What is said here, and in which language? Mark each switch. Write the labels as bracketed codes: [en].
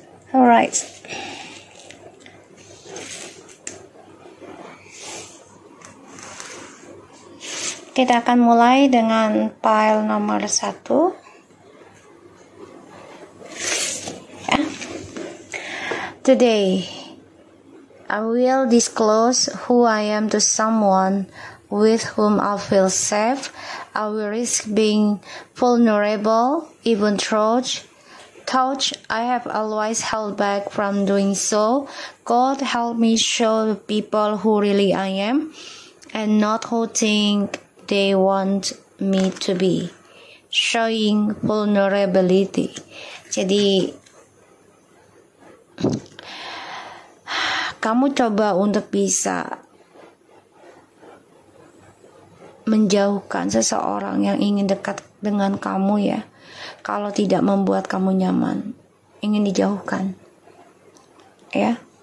[en] Alright. [id] Kita akan mulai dengan pile nomor 1. [en] Today, I will disclose who I am to someone with whom I feel safe. I will risk being vulnerable, even touch. I have always held back from doing so. God help me show people who really I am and not who think they want me to be. Showing vulnerability. [id] Jadi, kamu coba untuk bisa menjauhkan seseorang yang ingin dekat dengan kamu ya. Kalau tidak membuat kamu nyaman, ingin dijauhkan. Ya.